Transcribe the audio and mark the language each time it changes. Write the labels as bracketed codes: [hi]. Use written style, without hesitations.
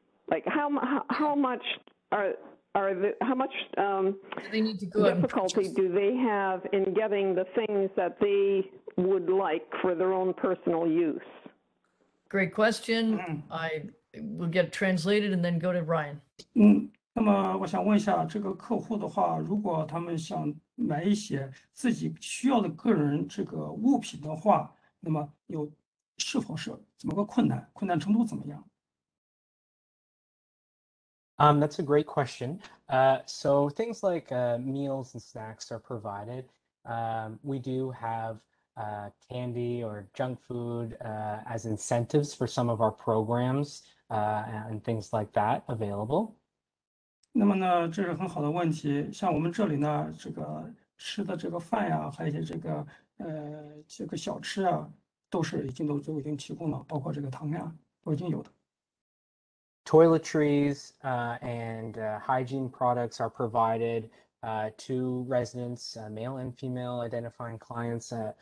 [en] Like how much difficulty do they have in getting the things that they would like for their own personal use? Great question. I will get translated and then go to Ryan. [zh] 那么我想问一下，这个客户的话，如果他们想买一些自己需要的个人这个物品的话，那么有是否是，怎么个困难，困难程度怎么样？ [en] That's a great question. So things like meals and snacks are provided. We do have candy or junk food as incentives for some of our programs and things like that available. [zh] 那么呢，这是很好的问题。像我们这里呢，这个吃的这个饭呀，还有一些这个小吃啊，都是已经都已经提供了，包括这个汤呀，都已经有的。 [en] Toiletries and hygiene products are provided to residents, male and female identifying clients.